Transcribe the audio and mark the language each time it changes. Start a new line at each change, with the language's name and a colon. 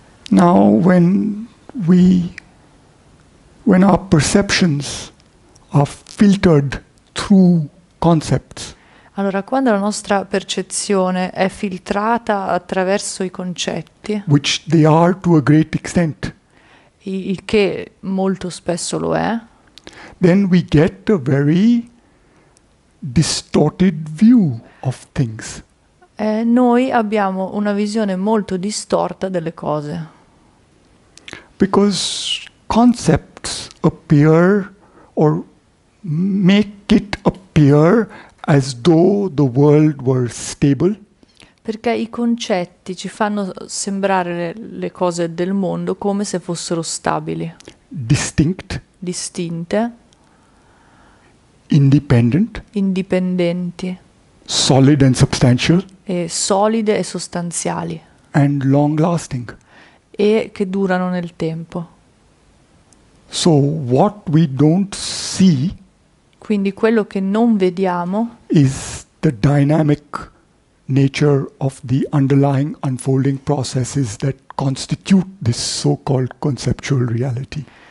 English: Now, when our perceptions are filtered through concepts,
Italian: Allora, quando la nostra percezione è filtrata attraverso i concetti,
English: which they are to a great extent,
Italian: il che molto spesso lo è,
English: then we get a very distorted view of things.
Italian: noi abbiamo una visione molto distorta delle cose.
English: Because concepts appear or make it appear as though the world were stable.
Italian: Perché i concetti ci fanno sembrare le cose del mondo come se fossero stabili,
English: Distinct,
Italian: distinte,
English: independent,
Italian: indipendenti,
English: solid and substantial.
Italian: e solide e sostanziali.
English: and long lasting.
Italian: e che durano nel tempo.
English: So what we don't see
Italian: Quindi quello che non vediamo
English: is the dynamic nature of the underlying unfolding processes that constitute this so-called conceptual reality.